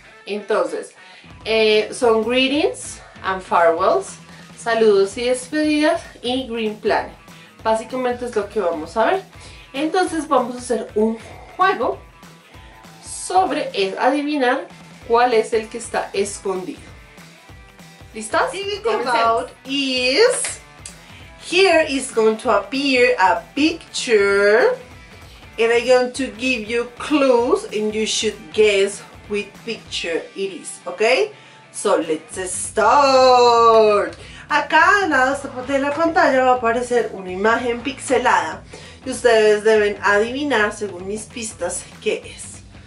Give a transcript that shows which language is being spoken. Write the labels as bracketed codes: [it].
[es] Entonces, son [en] greetings and farewells, [es] saludos y despedidas y Green Planet. Básicamente es lo que vamos a ver. Entonces vamos a hacer un juego sobre adivinar cuál es el que está escondido. ¿Listas? [en] Think about is here is going to appear a picture and I'm going to give you clues and you should guess which picture it is, ¿ok? So let's start. [es] Acá al lado de la pantalla va a aparecer una imagen pixelada y ustedes deben adivinar según mis pistas qué es.